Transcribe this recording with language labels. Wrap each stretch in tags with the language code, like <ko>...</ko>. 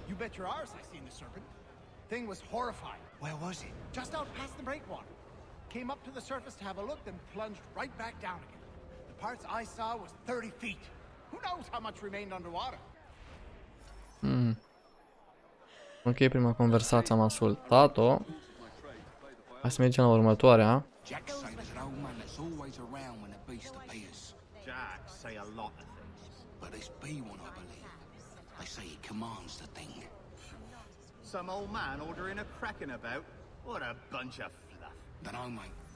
<en>You bet your arse I seen the serpent. Thing was horrifying. Where was it? Just out past the breakwater. Came up to the surface to have a look, then plunged right back down again. The parts I saw was 30 feet. Who knows how much remained underwater? Hmm.</en> <ro>Ok, prima conversație am ascultat-o. Hai să mergem la următoarea.</ro> <en>Jack say that old man that's always around when a beast appears. Jack say a lot of things. But it's B1, I believe. They say he commands the thing. Some old man ordering a kraken about. What a bunch of fluff. Then I mate.</en>